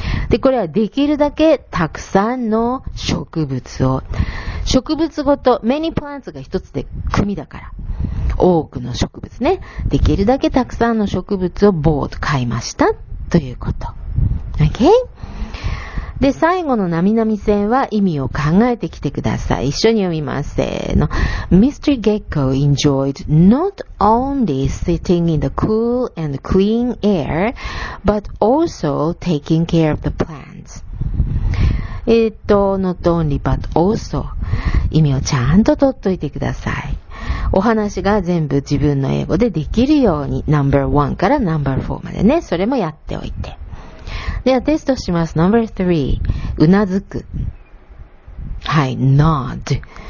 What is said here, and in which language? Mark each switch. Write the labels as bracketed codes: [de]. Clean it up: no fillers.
[ja] で、これはできるだけたくさんの植物を、植物ごと、 [en] many plants [ja] が一つで組だから、多くの植物ね、できるだけたくさんの植物を bought、買いました、ということ。Okay? で、最後のなみなみ線は意味を考えてきてください。一緒に読みます。せーの。Mr. [en] Gecko enjoyed not only sitting in the cool and clean air, but also taking care of the plants. Not only, but also. [ja] 意味をちゃんと取っといてください。お話が全部自分の英語でできるように、number 1から number 4までね、それもやっておいて。ではテストします。 Number 3、 うなずく。はい、 Nod。